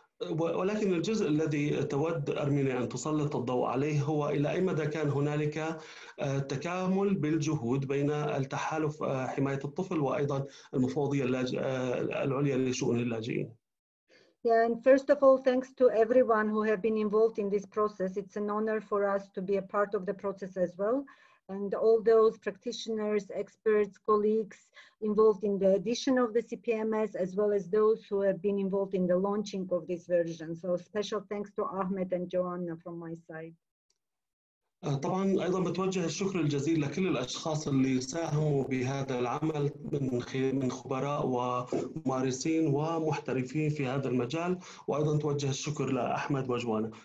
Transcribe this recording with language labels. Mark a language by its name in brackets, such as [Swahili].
[Arabic] ولكن الجزء الذي تود أرمينة أن تسلط الضوء عليه هو إلى أي مدى كان هنالك تكامل بالجهود بين التحالف حماية الطفل وأيضا المفوضية العليا لشؤون اللاجئين. [English] Yeah, and first of all, thanks to everyone who have been involved in this process. It's an honor for us to be a part of the process as well. And all those practitioners, experts, colleagues involved in the edition of the CPMS, as well as those who have been involved in the launching of this version. So special thanks to Ahmed and Joanna from my side. [Arabic] طبعا ايضا بتوجه الشكر الجزيل لكل الاشخاص اللي ساهموا بهذا العمل من خبراء وممارسين ومحترفين في هذا المجال, وايضا توجه الشكر لاحمد وجوانا.